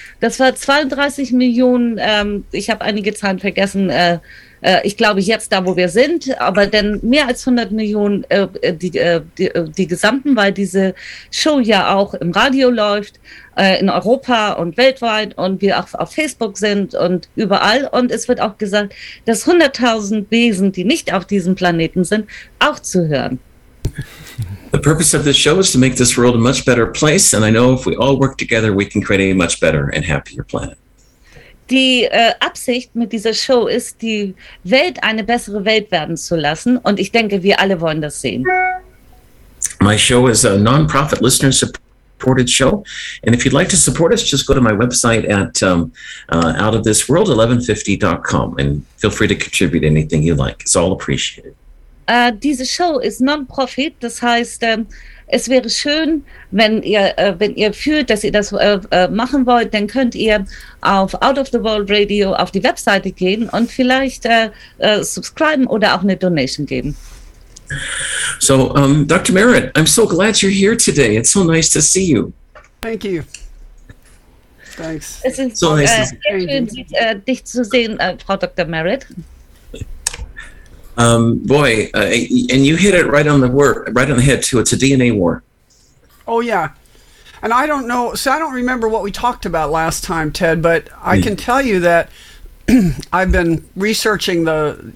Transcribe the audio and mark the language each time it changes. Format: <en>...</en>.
<de>Das war 32 Millionen, ich habe einige Zahlen vergessen, ich glaube jetzt da, wo wir sind, aber dann mehr als 100 Millionen die gesamten, weil diese Show ja auch im Radio läuft, in Europa und weltweit, und wir auch auf Facebook sind und überall. Und es wird auch gesagt, dass 100.000 Wesen, die nicht auf diesem Planeten sind, auch zuhören.</de> <en>The purpose of this show is to make this world a much better place, and I know if we all work together, we can create a much better and happier planet.</en> <de>Die Absicht mit dieser Show ist, die Welt eine bessere Welt werden zu lassen, und ich denke, wir alle wollen das sehen.</de> <en>My show is a non-profit, listener-supported show, and if you'd like to support us, just go to my website at outofthisworld1150.com and feel free to contribute anything you like. It's all appreciated.</en> <de>Diese Show ist Non-Profit, das heißt, es wäre schön, wenn ihr fühlt, dass ihr das machen wollt, dann könnt ihr auf Out of the World Radio auf die Webseite gehen und vielleicht subscriben oder auch eine Donation geben.</de> <en>So, Dr. Merritt, I'm so glad you're here today. It's so nice to see you. Thank you. Thanks.</en> <de>Es ist so nice sehr schön, dich zu sehen, Frau Dr. Merritt.</de> <en>And you hit it right on the head too. It's a DNA war. Oh yeah, and I don't know. So I don't remember what we talked about last time, Ted. But I can tell you that I've been researching the.</en>